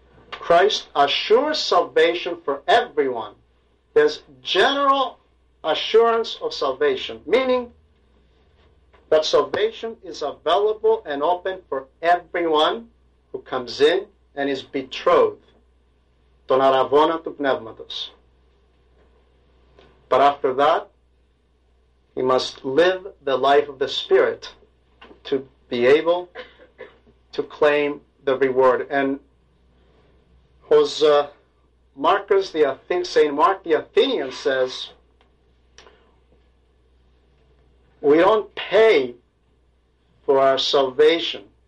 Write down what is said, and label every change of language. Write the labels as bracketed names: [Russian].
[English] Christ assures salvation for everyone. There's general assurance of salvation, meaning that salvation is available and open for everyone who comes in and is betrothed. [Greek] Τον αραβώνα του πνεύματος. [English] But after that, he must live the life of the Spirit to be able to claim the reward. And as Marcus, Saint Mark the Athenian says, we don't pay for our salvation.